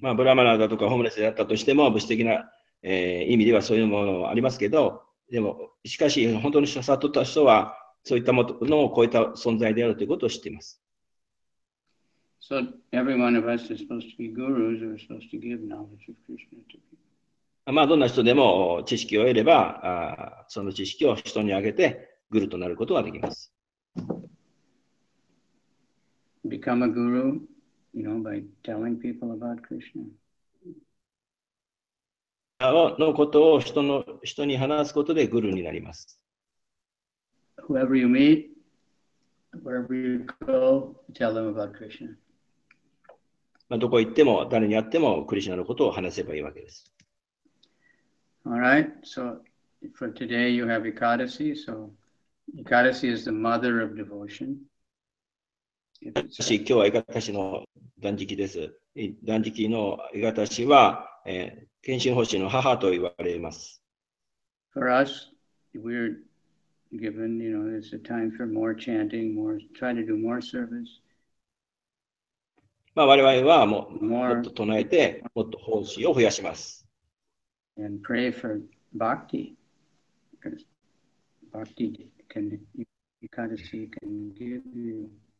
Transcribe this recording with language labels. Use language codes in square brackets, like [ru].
[ja] まあ、ブラマナだとかホームレスだったとしても、物質的な、意味ではそういうものもありますけど、でも、しかし、本当に悟った人は、そういったものを超えた存在であるということを知っています。 [en] So every one of us is supposed to be gurus or supposed to give knowledge of Krishna to people. [ja] まあどんな人でも知識を得れば、その知識を人にあげてグルとなることができます。 [en] Become a guru, you know, by telling people about Krishna. [ja] のことを人に話すことでグルになります。 [en] Whoever you meet, wherever you go, tell them about Krishna. [ja] まあどこ行っても誰に会ってもクリシュナのことを話せばいいわけです。 [en] Alright, so for today you have Ekadasi. So Ekadasi is the mother of devotion. [ja] Ekadasi, 今日はEkadasiの断食です。断食のEkadasiは、献身奉仕の母と言われます。 [en] For us, we're given, you know, it's a time for more chanting, more try to do more service. [ja] まあ我々はもっと唱えて、もっと奉仕を増やします。 [en] And pray for bhakti, because bhakti can Ekadasi can give you.